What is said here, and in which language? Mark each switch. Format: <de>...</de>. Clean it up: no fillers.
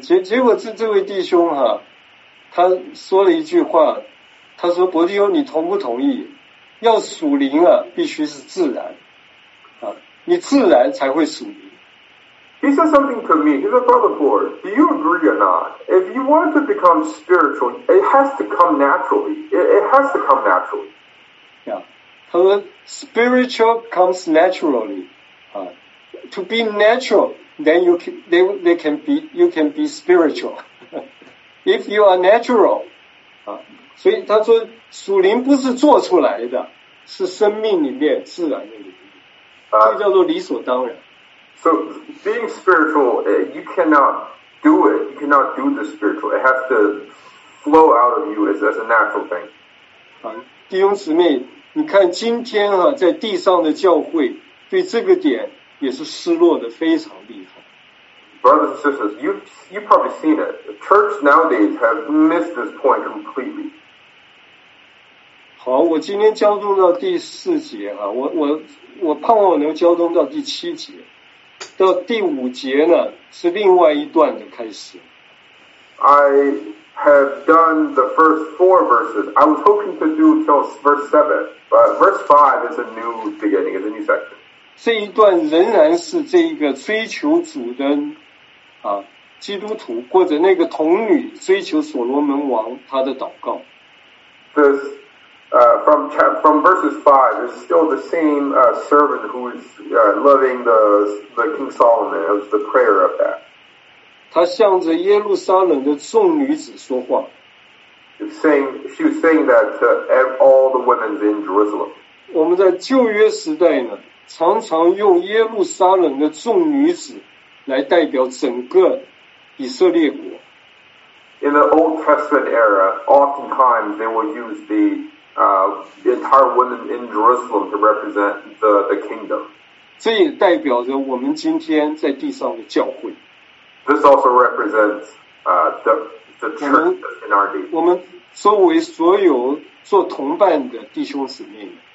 <zh>结果这位弟兄哈，他说了一句话，他说伯弟兄你同不同意？要属灵啊，必须是自然啊，你自然才会属灵。</zh> <en>He said something to me. He's a brother board. Do you agree or not? If you want to become spiritual, it has to come naturally. It has to come naturally. Yeah. He said, spiritual comes naturally. To be natural, then you can be spiritual. If you are natural.</en> <zh>所以他说属灵不是做出来的，是生命里面自然的灵，这叫做理所当然。</zh> <en>So being spiritual, you cannot do it. You cannot do the spiritual. It has to flow out of you as a natural thing.</en> <zh>弟兄姊妹，你看今天啊，在地上的教会对这个点也是失落的非常厉害。</zh> <en>Brothers and sisters, you've probably seen it. The church nowadays has missed this point completely.</en> <zh>好，我今天交通到第四节啊，我盼望我能交通到第七节。到第五节呢，是另外一段的开始。</zh> <en>I have done the first four verses. I was hoping to do till verse seven, but verse five is a new beginning, is a new section.</en> <zh>这一段仍然是这一个追求主的啊，基督徒或者那个童女追求所罗门王他的祷告。</zh> <en>This, from verses five is still the same servant who is loving the King Solomon as the prayer of that.</en> <zh>他向着耶路撒冷的众女子说话。</zh> <en>She was saying that to all the women in Jerusalem.</en> <zh>我们在旧约时代呢，常常用耶路撒冷的众女子来代表整个以色列国。</zh> <en>In the Old Testament era, oftentimes they will use the entire women in Jerusalem to represent the kingdom.</en> <zh>这也代表着我们今天在地上的教会。</zh> <en>This also represents the church in our day.</en> <zh>我们作为所有做同伴的弟兄姊妹。</zh>